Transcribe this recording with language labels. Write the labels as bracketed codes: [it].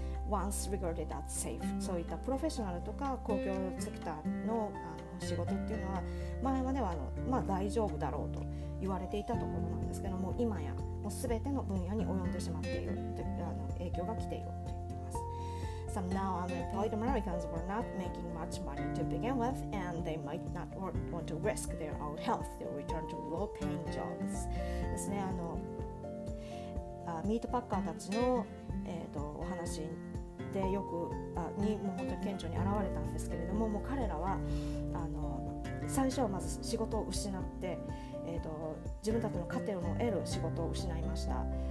[en] Once regarded as safe、 [ja] そういったプロフェッショナルとか公共セクターの仕事っていうのは前まではまあ大丈夫だろうと言われていたところなんですけども、今やもう全ての分野に及んでしまっているって影響が来ていると言っています。 [en] So now unemployed Americans were not making much money to begin with, and they might not want to risk their own health to return to low paying jobs [ja] ですね。ミートパッカーたちの、お話でよくにもう本当に顕著に現れたんですけれど もう彼らは最初はまず仕事を失って、自分たちの家庭を得る仕事を失いました。